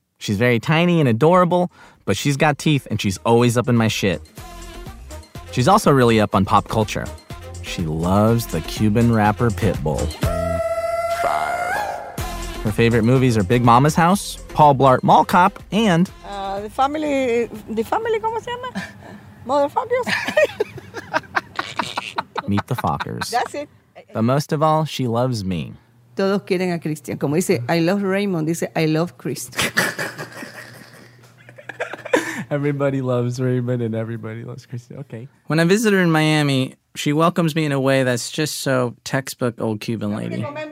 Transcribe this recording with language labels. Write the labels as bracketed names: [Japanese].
[English] She's very tiny and adorable, but she's got teeth and she's always up in my shit. She's also really up on pop culture. She loves the Cuban rapper Pitbull. Her favorite movies are Big Mama's House, Paul Blart Mall Cop, and... The family, [Spanish] ¿cómo se llama? [English] Motherfuckers. Meet the Fockers. That's it. But most of all, she loves me. [Spanish] Todos quieren a Christian. Como dice, [English] I love Raymond, [Spanish] dice, [English] I love Chris. Everybody loves Raymond and everybody loves Christian. Okay. When I visit her in Miami, she welcomes me in a way that's just so textbook old Cuban lady.